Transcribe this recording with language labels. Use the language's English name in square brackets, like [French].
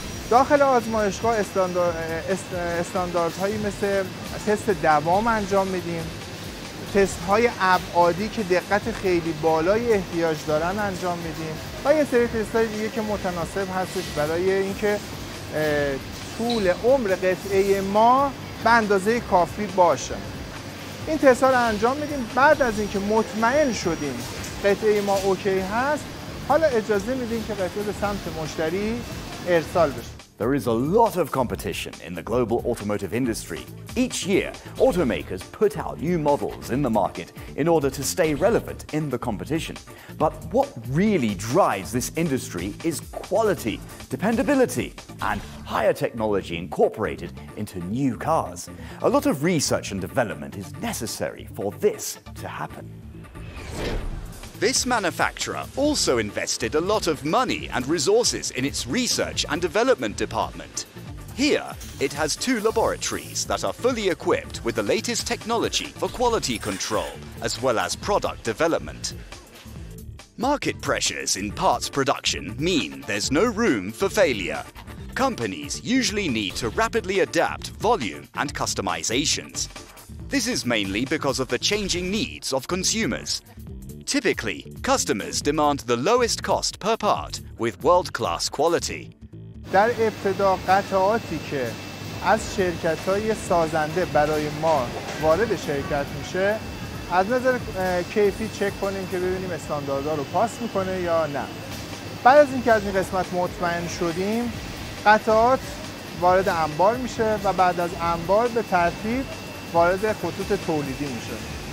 [Persian] داخل آزمایشگاه استانداردهایی مثل تست دوام انجام میدیم، تست های ابعادی که دقت خیلی بالای احتیاج دارن انجام میدیم و یه سری تست های دیگه که متناسب هستش برای اینکه طول عمر قطعه ما به اندازه کافی باشه. این تست ها رو انجام میدیم، بعد از اینکه مطمئن شدیم قطعه ما اوکی هست، حالا اجازه میدیم که قطعه به سمت مشتری ارسال بشه. [English] There is a lot of competition in the global automotive industry. Each year, automakers put out new models in the market in order to stay relevant in the competition. But what really drives this industry is quality, dependability, and higher technology incorporated into new cars. A lot of research and development is necessary for this to happen. This manufacturer also invested a lot of money and resources in its research and development department. Here, it has two laboratories that are fully equipped with the latest technology for quality control, as well as product development. Market pressures in parts production mean there's no room for failure. Companies usually need to rapidly adapt volume and customizations. This is mainly because of the changing needs of consumers. Typically, customers demand the lowest cost per part with world-class quality. [Persian] در ابتدا قطعاتی که از شرکت‌های سازنده برای ما وارد شرکت میشه، از نظر کیفی چک کنیم که ببینیم استانداردها رو پاس میکنه یا نه. بعد از اینکه از این قسمت مطمئن شدیم، قطعات وارد انبار میشه و بعد از انبار به ترتیب وارد خطوط تولیدی میشه.